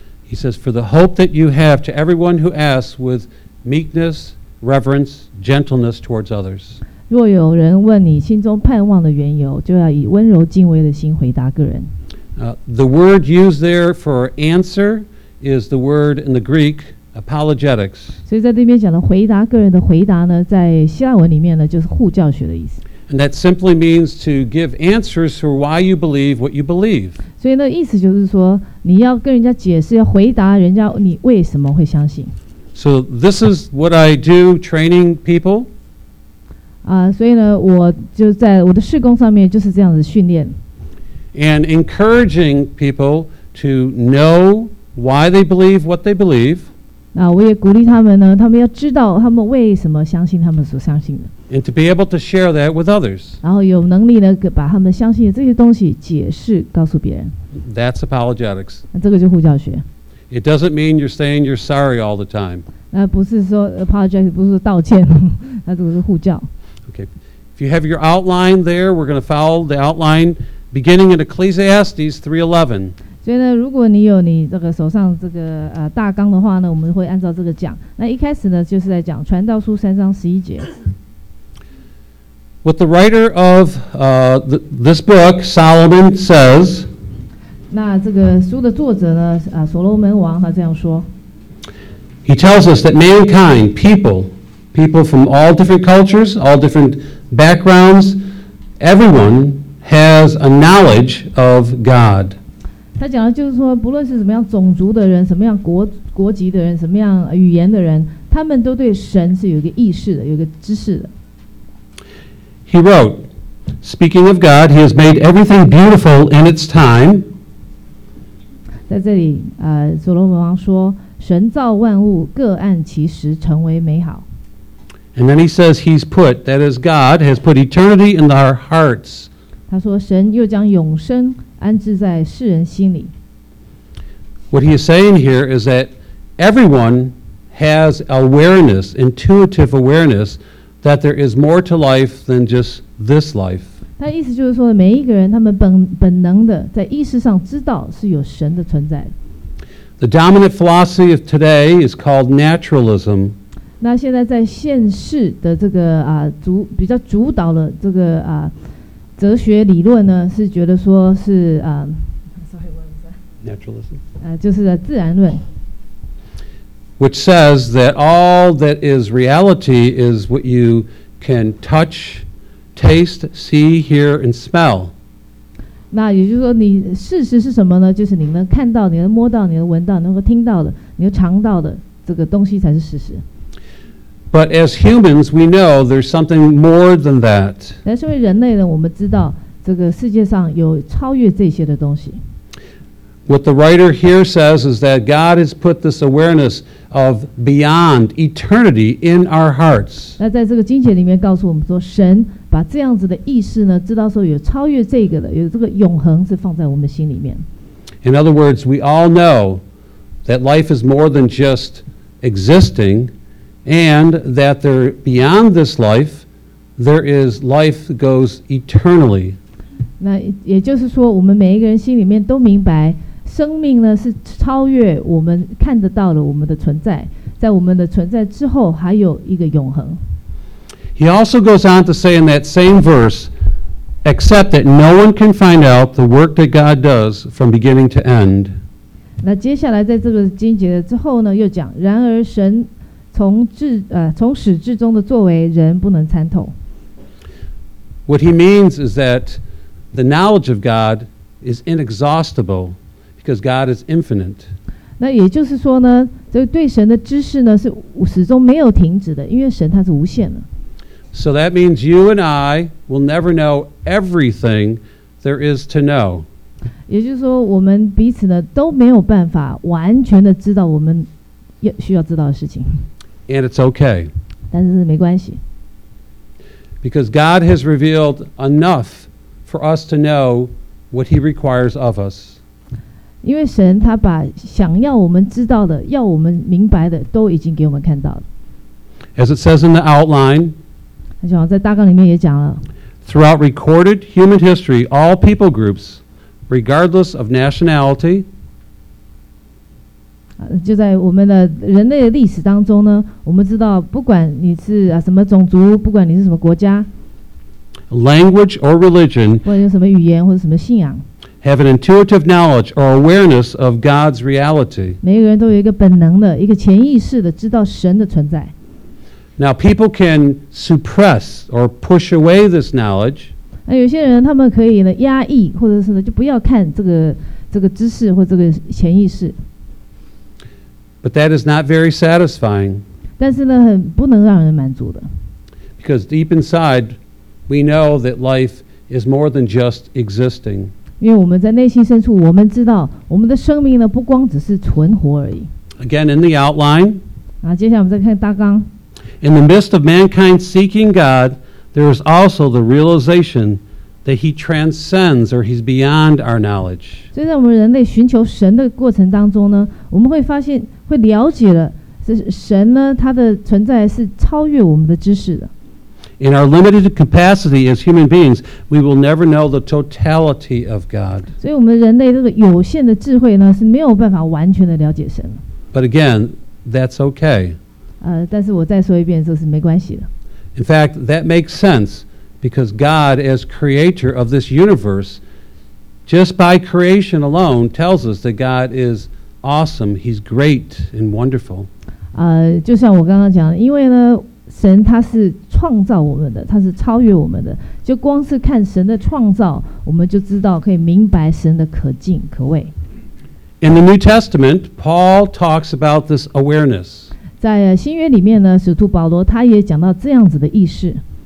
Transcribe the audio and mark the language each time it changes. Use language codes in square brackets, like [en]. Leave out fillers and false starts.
[en] He says, "For the hope that you have to everyone who asks with meekness, reverence, gentleness towards others." [zh] 若有人问你心中盼望的缘由，就要以温柔敬畏的心回答个人。 [en] The word used there for answer is the word in the Greek. Apologetics. [zh] 所以在这边讲的回答个人的回答呢，在希腊文里面呢，就是护教学的意思。 [en] And that simply means to give answers for why you believe what you believe. [zh] 所以那意思就是说，你要跟人家解释，要回答人家你为什么会相信。 [en] So this is what I do training people. [zh] 所以呢，我就在我的事工上面就是这样子训练。 [en] And encouraging people to know why they believe what they believe. [zh] 那我也鼓励他们呢，他们要知道他们为什么相信他们所相信的。 [en] And to be able to share that with others. [zh] 然后有能力呢，把他们相信的这些东西解释告诉别人。 [en] That's apologetics. [zh] 那这个就护教学。 [en] It doesn't mean you're saying you're sorry all the time. [zh] 那不是说 apologetics 不是说道歉，那这个是护教。 [en] Okay, if you have your outline there, we're going to follow the outline beginning in Ecclesiastes 3:11. [zh] 所以呢，如果你有你这个手上这个大纲的话呢，我们会按照这个讲。那一开始呢，就是在讲《传道书》三章十一节。 [en] What the writer of this book Solomon says. [zh] 那这个书的作者呢，所罗门王他这样说。 [en] He tells us that mankind, people from all different cultures, all different backgrounds, everyone has a knowledge of God. [zh] 他讲的就是说，不论是什么样种族的人，什么样国籍的人，什么样语言的人，他们都对神是有一个意识的，有一个知识的。 [en] He wrote, speaking of God, He has made everything beautiful in its time. [zh] 在这里，所罗门王说，神造万物各按其时成为美好。 [en] And then he says, He's put, that is, God has put eternity in our hearts. [zh] 他说，神又将永生。安置在世人心里。 [en] What he is saying here is that everyone has awareness, intuitive awareness, that there is more to life than just this life. [zh] 他意思就是说，每一个人他们本能的在意识上知道是有神的存在。 [en] The dominant philosophy of today is called naturalism. [zh] 那现在在现世的这个啊主比较主导的这个啊哲学理论呢，是觉得说是啊 [en] ，naturalism， [zh] 就是自然论 [en] ，which says that all that is reality is what you can touch, taste, see, hear, and smell。 [zh] 那也就是说，你事实是什么呢？就是你能看到、你能摸到、你能闻到、能够听到的、你能尝到的这个东西才是事实。 [en] But as humans, we know there's something more than that. [zh] 但身为人类呢，我们知道这个世界上有超越这些的东西。 [en] What the writer here says is that God has put this awareness of beyond eternity in our hearts. [zh] 那在这个经节里面告诉我们说，神把这样子的意识呢，知道说有超越这个的，有这个永恒是放在我们心里面。 [en] In other words, we all know that life is more than just existing. And that there beyond this life, there is life that goes eternally. [zh] 那也就是说，我们每一个人心里面都明白，生命呢是超越我们看得到的我们的存在，在我们的存在之后还有一个永恒。 [en] He also goes on to say in that same verse, except that no one can find out the work that God does from beginning to end. [zh] 那接下来在这个经节之后呢，又讲，然而神。从始至终的作为，人不能参透。 [en] What he means is that the knowledge of God is inexhaustible because God is infinite. [zh] 那也就是说呢，这对神的知识呢是始终没有停止的，因为神他是无限的。 [en] So that means you and I will never know everything there is to know. [zh] 也就是说，我们彼此呢都没有办法完全的知道我们需要知道的事情。 [en] And it's okay. [zh] 但是没关系。 [en] Because God has revealed enough for us to know what He requires of us. [zh] 因为神他把想要我们知道的、要我们明白的，都已经给我们看到了。 [en] As it says in the outline, [zh] 就好像在大纲里面也讲了。 [en] Throughout recorded human history, all people groups, regardless of nationality. [zh] 就在我们的人类的历史当中呢，我们知道，不管你是什么种族，不管你是什么国家 [en] ，language or religion， [zh] 不管用什么语言或者什么信仰 [en] ，have an intuitive knowledge or awareness of God's reality。 [zh] 每个人都有一个本能的、一个潜意识的知道神的存在。 [en] Now people can suppress or push away this knowledge。 [zh] 那有些人他们可以呢压抑，或者是呢就不要看这个知识或这个潜意识。 [en] But that is not very satisfying. [zh] 但是呢，很不能让人满足的。 [en] Because deep inside, we know that life is more than just existing. [zh] 因为我们在内心深处，我们知道我们的生命呢，不光只是存活而已。 [en] Again, in the outline. [zh] 啊，接下来我们再看大纲。 [en] In the midst of mankind seeking God, there is also the realization that He transcends or He's beyond our knowledge. [zh] 所以在我们人类寻求神的过程当中呢，我们会发现。会了解了，是神呢？他的存在是超越我们的知识的。 [en] In our limited capacity as human beings, we will never know the totality of God. [zh] 所以，我们人类这个有限的智慧呢，是没有办法完全的了解神。 [en] But again, that's okay. [zh] 但是我再说一遍，这是没关系的。 [en] In fact, that makes sense because God, as creator of this universe, just by creation alone, tells us that God is. Awesome, he's great and wonderful. [zh] 就像我刚刚讲的，因为呢，神他是创造我们的，他是超越我们的。就光是看神的创造，我们就知道可以明白神的可敬可畏。 [en] In the New Testament, Paul talks about this awareness. [zh] 在新约里面呢，使徒保罗他也讲到这样子的意识。